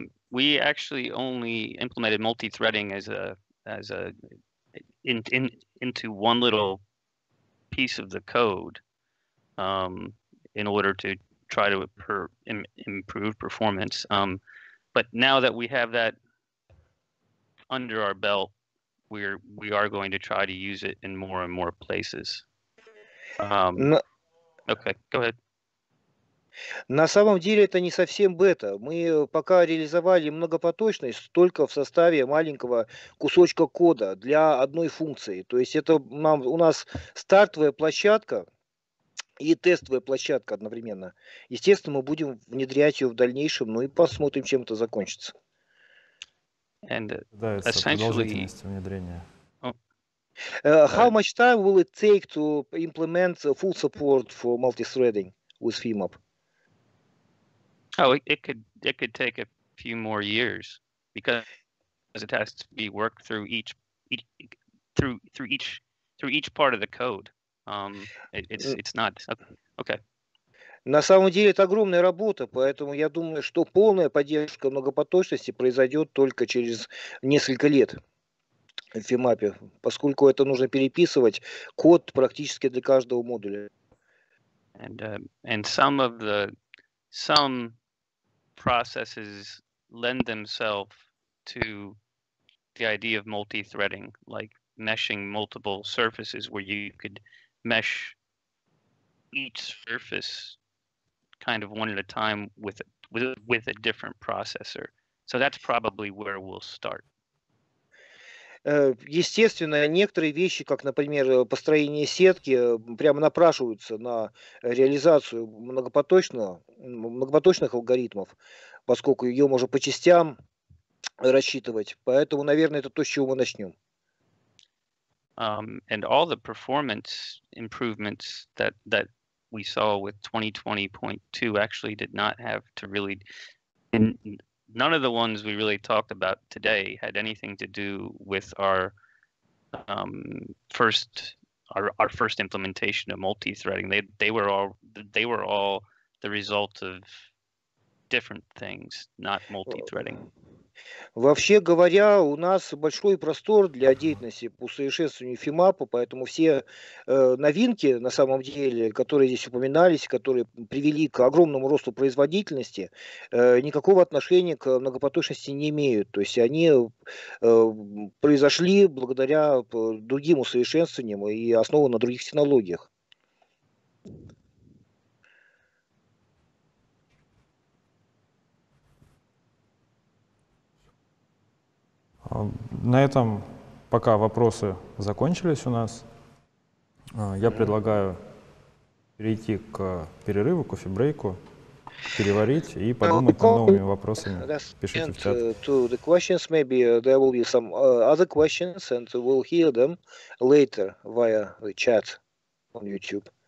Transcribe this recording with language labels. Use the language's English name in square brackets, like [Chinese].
[English] We actually only implemented multi-threading into one little piece of the code in order to try to improve performance. But now that we have that under our belt, we are going to try to use it in more and more places. Okay, go ahead. [Russian] На самом деле это не совсем бета. Мы пока реализовали многопоточность только в составе маленького кусочка кода для одной функции. То есть это нам, у нас стартовая площадка и тестовая площадка одновременно. Естественно, мы будем внедрять ее в дальнейшем, ну и посмотрим, чем это закончится. Да, это продолжительность внедрения. [English] How much time will it take to implement full support for multi-threading with FeedMap? Oh, it could take a few more years because it has to be worked through each part of the code. It's not okay. [Russian] На самом деле это огромная работа, поэтому я думаю, что полная поддержка многопоточности произойдет только через несколько лет в FeedMap, поскольку это нужно переписывать код практически для каждого модуля. [English] And some processes lend themselves to the idea of multi-threading, like meshing multiple surfaces where you could mesh each surface kind of one at a time with a different processor. So that's probably where we'll start. [Russian] Естественно, некоторые вещи, как, например, построение сетки, прямо напрашиваются на реализацию многопоточных алгоритмов, поскольку ее можно по частям рассчитывать. Поэтому, наверное, это то, с чего мы начнем. [English] And all the performance improvements that we saw with 2020.2 actually did not have to really... None of the ones we really talked about today had anything to do with our first implementation of multi-threading. They were all the result of different things, not multi-threading. [Russian] Вообще говоря, у нас большой простор для деятельности по совершенствованию FIMAP, поэтому все новинки, на самом деле, которые здесь упоминались, которые привели к огромному росту производительности, никакого отношения к многопоточности не имеют. То есть они произошли благодаря другим усовершенствованиям и основаны на других технологиях. На этом пока вопросы закончились у нас. Я предлагаю перейти к перерыву, кофе-брейку, переварить и подумать над новыми вопросами. Пишите в чат. [English] To the questions, maybe there will be some other questions, and we'll hear them later via the chat on YouTube.